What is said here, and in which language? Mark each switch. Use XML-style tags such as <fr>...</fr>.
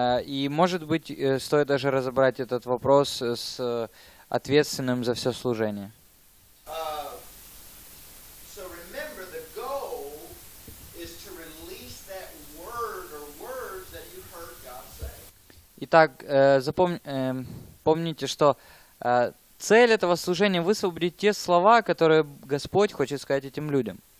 <ru>И, может быть, стоит даже разобрать этот вопрос с ответственным за все служение.</ru> <en>So remember, the goal is to release that word or words that you heard God say.</en> <ru>Итак, помните, что цель этого служения — высвободить те слова, которые Господь хочет сказать этим людям.</ru>